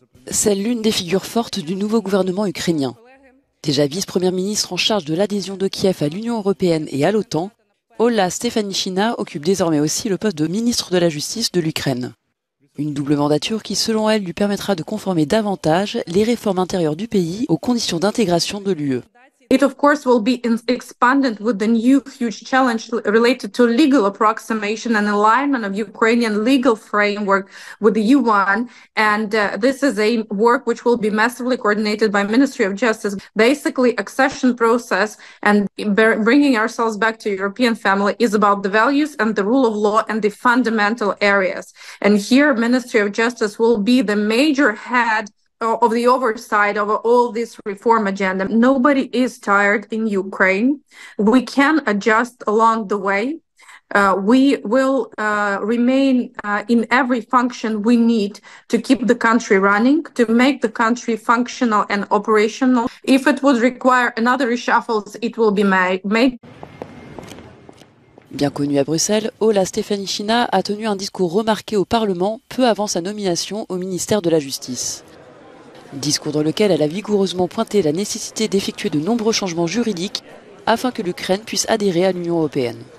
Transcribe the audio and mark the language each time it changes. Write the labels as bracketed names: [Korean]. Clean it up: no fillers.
[French] C'est l'une des figures fortes du nouveau gouvernement ukrainien. Déjà vice-première ministre en charge de l'adhésion de Kiev à l'Union européenne et à l'OTAN, Olla Stefanichina occupe désormais aussi le poste de ministre de la Justice de l'Ukraine. Une double mandature qui, selon elle, lui permettra de conformer davantage les réformes intérieures du pays aux conditions d'intégration de l'UE. [English] It of course will be expanded with the new huge challenge related to legal approximation and alignment of Ukrainian legal framework with the UN. And this is a work which will be massively coordinated by Ministry of Justice. Basically, accession process and bringing ourselves back to European family is about the values and the rule of law and the fundamental areas. And here, Ministry of Justice will be the major head of the oversight of all this reform agenda. Nobody is tired in Ukraine. We can adjust along the way. We will remain in every function we need to keep the country running, to make the country functional and operational. If it would require another reshuffle, it will be made. [French] Bien connue à Bruxelles, Olla Stefanichina a tenu un discours remarqué au Parlement peu avant sa nomination au ministère de la Justice. Discours dans lequel elle a vigoureusement pointé la nécessité d'effectuer de nombreux changements juridiques afin que l'Ukraine puisse adhérer à l'Union européenne.